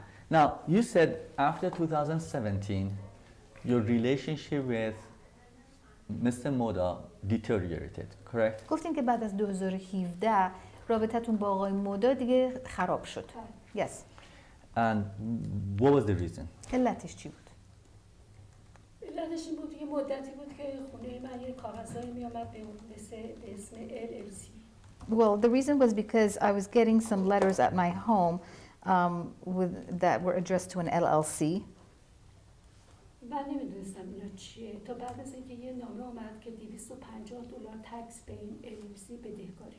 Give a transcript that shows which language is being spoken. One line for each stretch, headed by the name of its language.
English: now, you said after 2017, your relationship with Mr. Moda deteriorated, correct?
Persian: گفتین که بعد از 2017 رابطتون با آقای مودا دیگه خراب شد.
English: Yes. And what was the reason?
Persian: علتش چی بود؟ علتش این بود یه مدتی بود که خونه من یه کاغذهایی می آمد به اسم LLC.
English: Well, the reason was because I was getting some letters at my home with that were addressed to an LLC.
Persian: من نمیدونستم اینا چیه. تا بعد از اینکه یه نامه آمد که $250 تکس به این LLC بدهکاری.